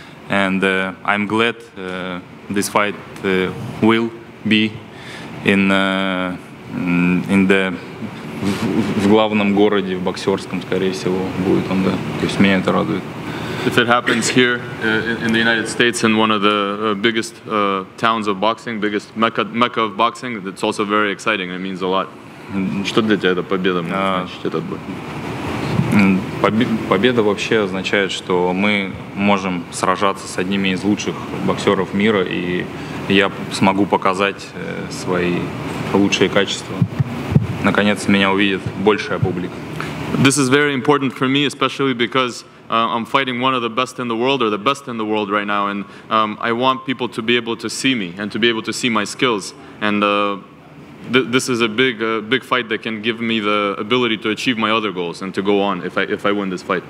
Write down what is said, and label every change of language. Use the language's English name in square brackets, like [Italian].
[English] and I'm glad this fight will be in the [Russian] в главном городе в боксерском, скорее всего, будет он, да. То есть меня это радует. [English] If it happens here in the United States in one of the biggest towns of boxing, biggest mecca of boxing, it's also very exciting. It means a lot. [Russian] Что для тебя эта победа значит, этот бой? Победа вообще означает, что мы можем сражаться с одними из лучших боксеров мира, и я смогу показать свои лучшие качества. Наконец меня увидит большая публика. [English] This is very important for me, especially because I'm fighting one of the best in the world, or the best in the world right now, and I want people to be able to see me and to be able to see my skills. And this is a big, big fight that can give me the ability to achieve my other goals and to go on if I win this fight.